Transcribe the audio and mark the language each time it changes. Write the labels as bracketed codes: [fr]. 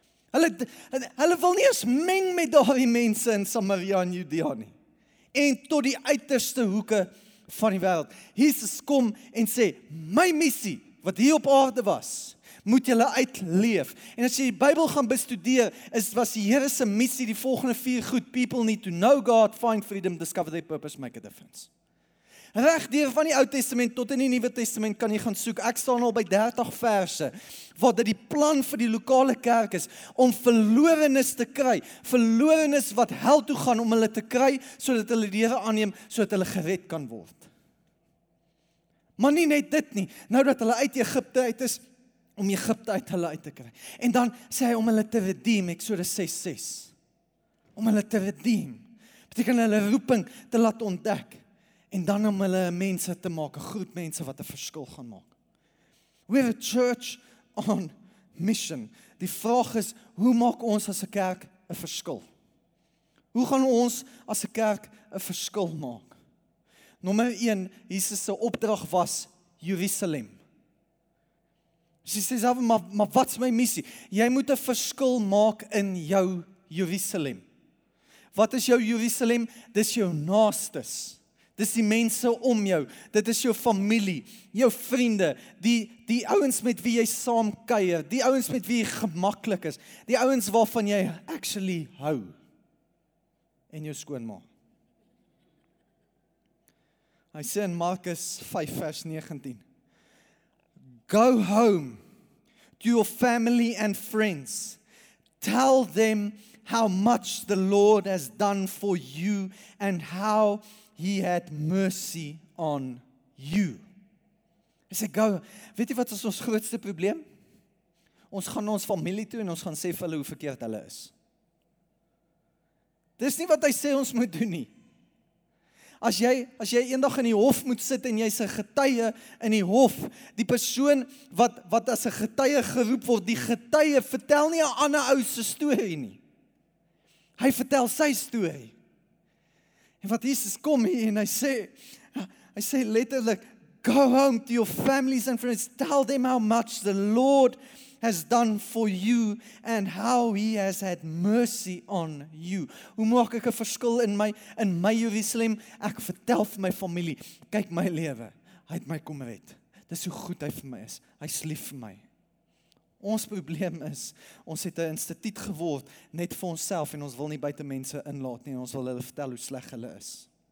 [af] Hulle wil nie eens meng met daardie mense in Samaria en Judea nie. en tot die uiterste hoeke van die wêreld. Jesus kom en sê, my missie, wat hier op aarde was, moet julle uitleef. En as jy die Bybel gaan bestudeer, was die Here se missie die volgende vier goed, [en] people need to know God, find freedom, discover their purpose, make a difference. [af] Reg deur van die Ou Testament tot in die Nuwe Testament kan jy gaan soek. Ek staan al by 30 verse, waar dit die plan vir die lokale kerk is, om verlorenes te kry, verlorenes wat hel toe gaan om hulle te kry, sodat hulle die Here aanneem, sodat hulle gered kan word. Maar nie net dit nie, nou dat hulle uit Egypte uit is, om Egypte uit hulle uit te kry. En dan sê hy om hulle te redeem, Exodus 6:6. Om hulle te redeem, beteken hulle roeping te laat ontdek. En dan om hulle mense te maak, groot mense wat 'n verskil gaan maak. [en] We have a church on mission. [af] Die vraag is, hoe maak ons as 'n kerk 'n verskil? Hoe gaan ons as 'n kerk 'n verskil maak? Nommer 1, Jesus se opdrag was Jerusalem. Sy sê, maar wat is my missie? Jy moet 'n verskil maak in jou Jerusalem. Wat is jou Jerusalem? Dis jou naastes. Dis die mense om jou, dit is jou familie, jou vriende, die ouens met wie jy saam kuier, die ouens met wie jy gemaklik is, die ouens waarvan jy actually hou, en jou skoonma. Hy sê in Markus 5 vers 19, [en] Go home to your family and friends, tell them how much the Lord has done for you and how He had mercy on you. [af] Hy sê, go, weet jy wat is ons grootste probleem? Ons gaan na ons familie toe en ons gaan sê vir hulle hoe verkeerd hulle is. Dis nie wat hy sê ons moet doen nie. As jy eendag in die hof moet sit en jy's 'n getuie in die hof, die persoon wat as 'n getuie geroep word, die getuie vertel nie 'n ander ou se storie nie. Hy vertel sy storie. En wat Jesus kom hier en hy sê letterlik, [en] go home to your families and friends, tell them how much the Lord has done for you and how he has had mercy on you. [af] Hoe maak ek 'n verskil in my Jerusalem? Ek vertel vir my familie, kyk my lewe, hy het my kom red. Dis hoe goed hy vir my is, hy's lief vir my. Ons probleem is, ons het 'n instituut geword net vir onsself en ons wil nie buite mense inlaat nie en ons wil hulle vertel hoe sleg hulle is.